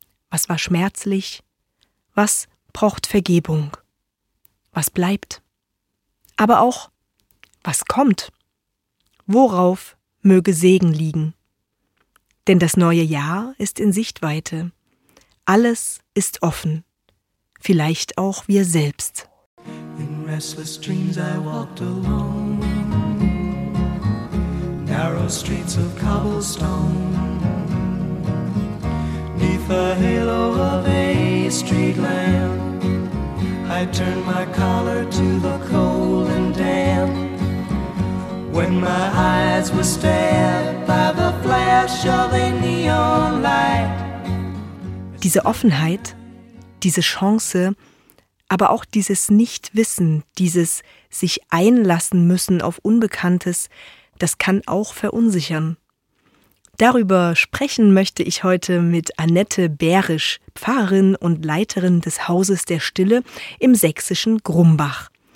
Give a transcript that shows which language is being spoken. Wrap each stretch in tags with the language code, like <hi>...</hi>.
<de>Was war schmerzlich? Was braucht Vergebung? Was bleibt? Aber auch, was kommt? Worauf möge Segen liegen? Denn das neue Jahr ist in Sichtweite. Alles ist offen. Vielleicht auch wir selbst.</de> <en>In restless dreams I walked alone. Narrow streets of cobblestone. Neath the halo of a street lamp. I turned my collar to the cold and damp. When my eyes were stared by the flash of a neon light.</en> <de>Diese Offenheit, diese Chance, aber auch dieses Nichtwissen, dieses sich einlassen müssen auf Unbekanntes, das kann auch verunsichern. Darüber sprechen möchte ich heute mit Annette Behrisch, Pfarrerin und Leiterin des Hauses der Stille im sächsischen Grumbach.</de>